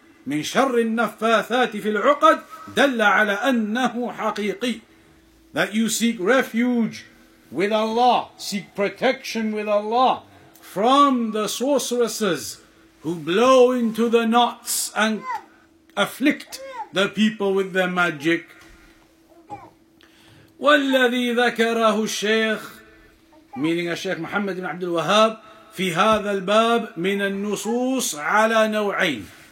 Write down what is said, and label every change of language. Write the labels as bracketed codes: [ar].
[ar] من شر النفاثات في العقد دل على أنه حقيقي. [en] That you seek refuge with Allah, seek protection with Allah from the sorceresses who blow into the knots and afflict the people with their magic. [ar] والذي ذكره الشيخ, meaning الشيخ محمد بن عبد الوهاب, في هذا الباب من النصوص على نوعين.